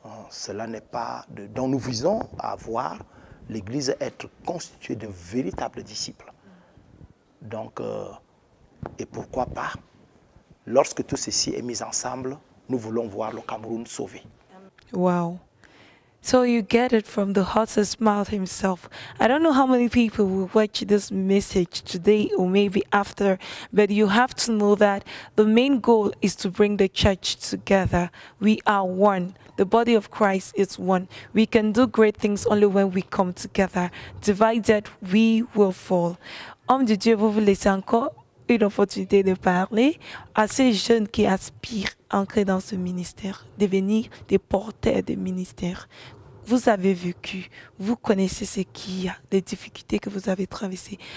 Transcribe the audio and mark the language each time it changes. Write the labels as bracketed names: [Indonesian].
[French] Cela n'est pas de... Donc nous visons à voir l'Église être constituée de véritables disciples. Donc, et pourquoi pas, lorsque tout ceci est mis ensemble, nous voulons voir le Cameroun sauvé. [English] Wow. So you get it from the horse's mouth himself. I don't know how many people will watch this message today or maybe after, but you have to know that the main goal is to bring the church together. We are one. The body of Christ is one. We can do great things only when we come together. Divided, we will fall. [French] Homme de Dieu, vous voulez encore une opportunité de parler à ces jeunes qui aspirent à entrer dans ce ministère, devenir des porteurs de ministère. Vous avez vécu, vous connaissez ce qu'il y a, les difficultés que vous avez traversées.